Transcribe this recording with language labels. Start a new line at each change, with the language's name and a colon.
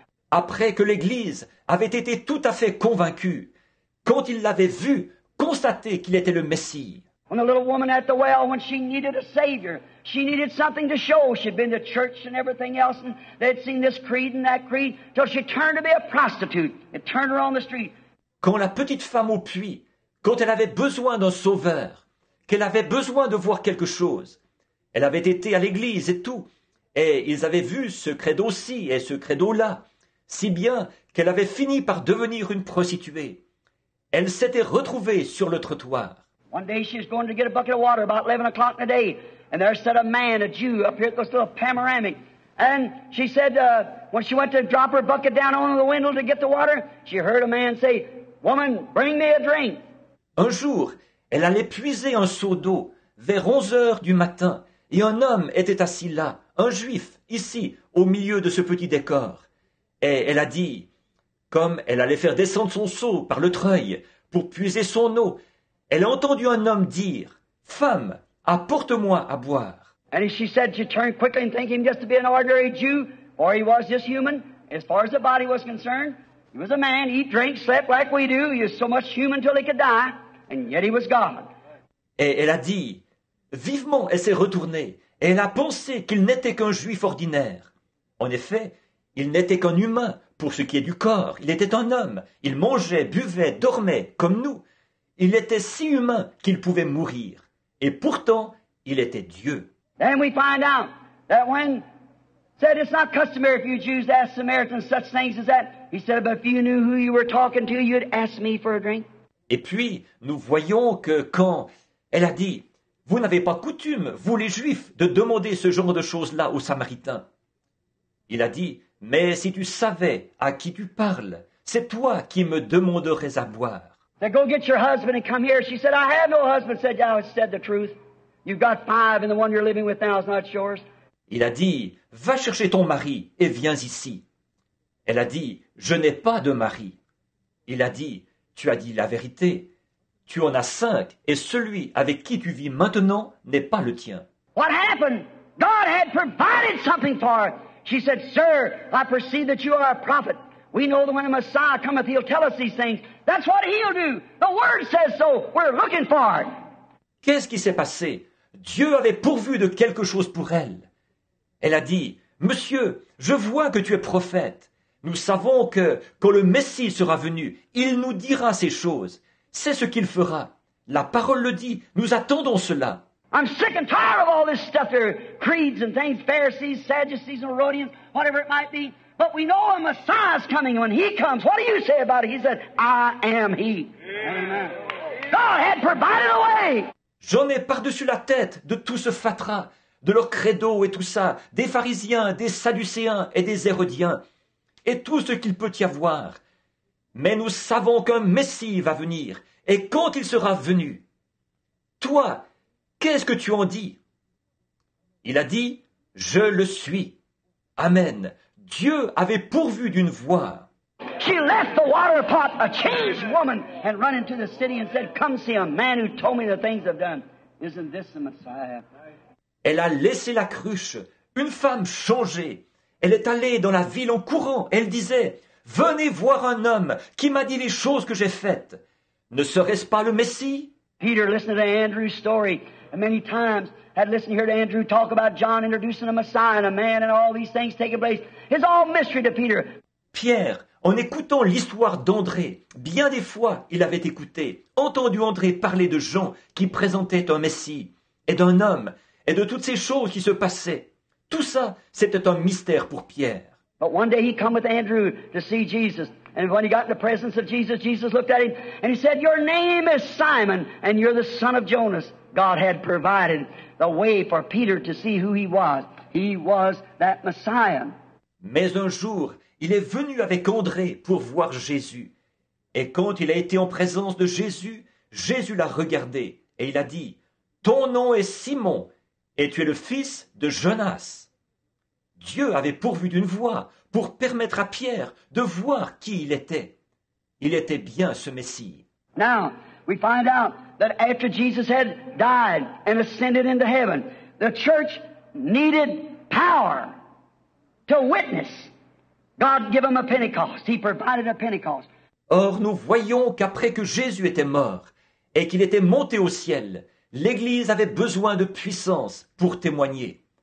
French: Après que l'Église avait été tout à fait convaincue, quand il l'avait vu, constaté qu'il était le Messie.
English: When the little woman at the well, when she needed a savior, she needed something to show. She'd been to church and everything else, and they'd seen this creed and that creed, till she turned to be a prostitute. It turned her on the street.
French: Quand la petite femme au puits, quand elle avait besoin d'un sauveur, qu'elle avait besoin de voir quelque chose, elle avait été à l'église et tout, et ils avaient vu ce credo-ci et ce credo-là, si bien qu'elle avait fini par devenir une prostituée. Elle s'était retrouvée sur le trottoir.
English: One day she was going to get a bucket of water about 11 o'clock in the day. And there sat a man, a Jew, up here at this little panoramic. And she said, when she went to drop her bucket down on the window to get the water, she heard a man say, "Woman, bring me a drink."
French: Un jour, elle allait puiser un seau d'eau vers 11 heures du matin. Et un homme était assis là, un juif, ici, au milieu de ce petit décor. Et elle a dit, comme elle allait faire descendre son seau par le treuil pour puiser son eau, elle a entendu un homme dire, « Femme, apporte-moi à boire. »
English: And she said she turned quickly and thinking just to be an ordinary Jew, or he was just human, as far as the body was concerned. He was a man, he drank, slept like we do, he was so much human till he could die, and yet he was God.
French: Et elle a dit, vivement elle s'est retournée, et elle a pensé qu'il n'était qu'un juif ordinaire. En effet, il n'était qu'un humain, pour ce qui est du corps, il était un homme, il mangeait, buvait, dormait, comme nous. Il était si humain qu'il pouvait mourir. Et pourtant, il était Dieu.
English: Then we find out that when said it's not customary for you Jews to ask Samaritans such things as that. He said, but if you knew who you were talking to, you'd ask me for a drink.
French: Et puis, nous voyons que quand elle a dit, vous n'avez pas coutume, vous les Juifs, de demander ce genre de choses-là aux Samaritains. Il a dit, mais si tu savais à qui tu parles, c'est toi qui me demanderais à boire.
English: Now go get your husband and come here. She said, I have no husband. Said, thou hast said the truth. You've got five and the one you're living with now is not yours.
French: Il a dit, va chercher ton mari et viens ici. Elle a dit, je n'ai pas de mari. Il a dit, tu as dit la vérité. tu en as cinq, et celui avec qui tu vis maintenant n'est pas le tien.
English: What happened? God had provided something for her. She said, Sir, I perceive that you are a prophet. We know that when the Messiah cometh, he'll tell us these things. That's what he'll do. The Word says so. We're looking for it.
French: Qu'est-ce qui s'est passé? Dieu avait pourvu de quelque chose pour elle. Elle a dit, Monsieur, je vois que tu es prophète. Nous savons que, quand le Messie sera venu, il nous dira ces choses. C'est ce qu'il fera. La parole le dit. Nous attendons cela.
English: I'm sick and tired of all this stuff here. Creeds and things, Pharisees, Sadducees, and Herodians, whatever it might be. But we know a Messiah is coming when he comes. What do you say about it? He said, I am he. Amen. God had provided a way.
French: J'en ai par-dessus la tête de tout ce fatras, de leur credo et tout ça, des pharisiens, des sadducéens et des hérodiens, et tout ce qu'il peut y avoir. Mais nous savons qu'un Messie va venir, et quand il sera venu, toi, qu'est-ce que tu en dis? Il a dit, je le suis. Amen. Dieu avait pourvu d'une voix.
English: She left the water pot, a changed woman, and run into the city and said, come see a man who told me the things I've done. Isn't this the Messiah?
French: Elle a laissé la cruche, une femme changée. Elle est allée dans la ville en courant. Elle disait, venez voir un homme qui m'a dit les choses que j'ai faites. Ne serait-ce pas le Messie?
English: Peter listened to Andrew's story many times. Had listened here to Andrew talk about John introducing a Messiah and a man and all these things taking place. It's all mystery to Peter.
French: Pierre, en écoutant l'histoire d'André, bien des fois il avait écouté, entendu André parler de Jean qui présentait un Messie, et d'un homme, et de toutes ces choses qui se passaient. Tout ça, c'était un mystère pour Pierre.
English: But one day he came with Andrew to see Jesus. And when he got in the presence of Jesus, Jesus looked at him and he said, Your name is Simon and you're the son of Jonas. God had provided the way for Peter to see who he was. He was that Messiah.
French: Mais un jour, il est venu avec André pour voir Jésus. Et quand il a été en présence de Jésus, Jésus l'a regardé et il a dit, Ton nom est Simon et tu es le fils de Jonas. Dieu avait pourvu d'une voix pour permettre à Pierre de voir qui il était. Il était bien ce Messie.
English: Now, we find out that after Jesus had died and ascended into heaven, the church needed power to witness. God gave them a Pentecost. He provided a Pentecost.
French: Or, nous voyons qu'après que Jésus était mort et qu'il était monté au ciel, l'Église avait besoin de puissance pour témoigner.